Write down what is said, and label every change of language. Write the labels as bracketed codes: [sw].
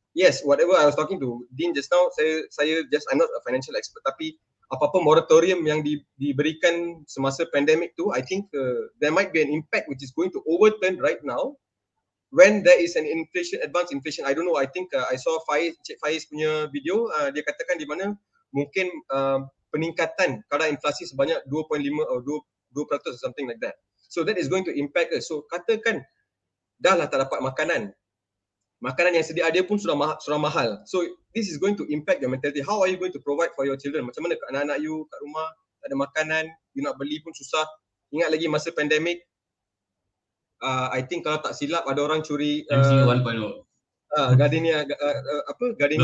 [en] Yes, whatever I was talking to Dean just now, saya I'm not a financial expert, [ms] tapi apa-apa moratorium yang diberikan semasa pandemic tu, [en] I think there might be an impact which is going to overturn right now when there is an inflation, advanced inflation. I don't know, I think I saw Faiz [ms] punya video, dia katakan di mana mungkin peningkatan kadar inflasi sebanyak [en] 2.5 or 2% or something like that. So that is going to impact us. So [ms] katakan dah lah tak dapat makanan. Makanan yang sedia ada pun sudah mahal. [en] So this is going to impact your mentality. How are you going to provide for your children? [ms] Macam mana anak-anak you kat rumah, tak ada makanan, you nak beli pun susah. Ingat lagi masa pandemic, [en] I think [ms] kalau tak silap ada orang curi MCU 1.0. Gardenia apa Gardenia?